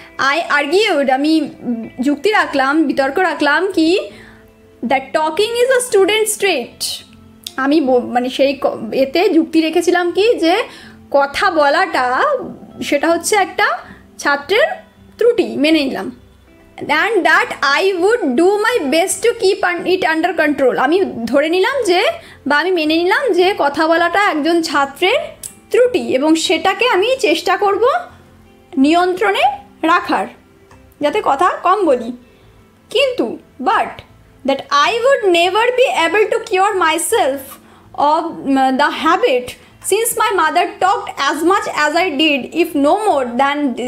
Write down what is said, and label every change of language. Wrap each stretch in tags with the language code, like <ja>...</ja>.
<en>I argued,</en> <bn>আমি যুক্তি রাখলাম, বিতর্ক রাখলাম, কি,</bn> <en>that talking is a student straight,</en> <bn>আমি মানে সেই এতে যুক্তি রেখেছিলাম কি, যে কথা বলাটা সেটা হচ্ছে একটা ছাত্রের ত্রুটি, মেনে নিলাম।</bn> <en>and that I would do my best to keep it under control.</en> <bn>আমি ধরে নিলাম যে বা আমি মেনে নিলাম যে কথা বলাটা একজন ছাত্রের ত্রুটি এবং সেটাকে আমি চেষ্টা করব নিয়ন্ত্রণে রাখার যাতে কথা কম বলি কিন্তু</bn> <en>but that I would never be able to cure myself of the habit since my mother talked as much as I did if no more than</en>